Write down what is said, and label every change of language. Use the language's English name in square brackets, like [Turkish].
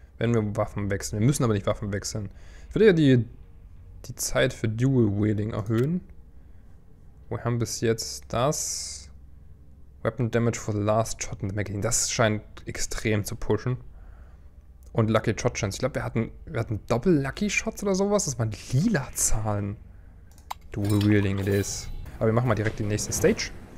[German] Wenn wir Waffen wechseln. Wir müssen aber nicht Waffen wechseln. Ich würde ja die Zeit für Dual Wielding erhöhen. Wir haben bis jetzt das. [English] Weapon Damage for the Last Shot in the Magazine. [German] Das scheint extrem zu pushen. Und Lucky Shot Chance. Ich glaube, wir hatten Doppel Lucky Shots oder sowas. Das waren lila Zahlen. [English] Dual Wielding it is. [German] Aber wir machen mal direkt die nächste Stage.